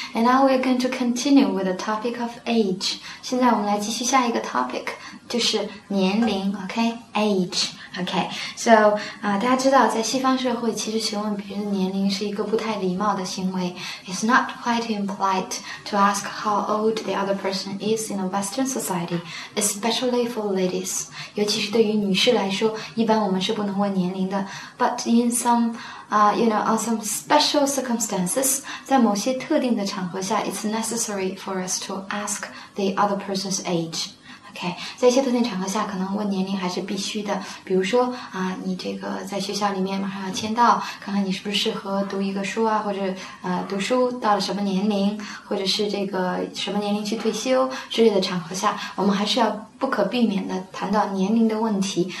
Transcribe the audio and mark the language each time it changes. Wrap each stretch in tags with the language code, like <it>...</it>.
<en>And now we're going to continue with the topic of age.</en> <zh>现在我们来继续下一个 topic, 就是年龄 okay? Age. Okay, so, 大家知道在西方社会其实询问别人的年龄是一个不太礼貌的行为。</zh> <en>It's not quite impolite to ask how old the other person is in a Western society, especially for ladies.</en> <zh>尤其是对于女士来说一般我们是不能问年龄的。</zh> <en>But in someyou know, on some special circumstances,</en> <zh>在某些特定的场合下</zh> <en>it's necessary for us to ask the other person's age.</en> <zh>Okay, 在一些特定场合下可能问年龄还是必须的。比如说你这个在学校里面马上要签到，看看你是不是适合读一个书啊，或者读书到了什么年龄，或者是这个什么年龄去退休之类的场合下，我们还是要不可避免的谈到年龄的问题。</zh>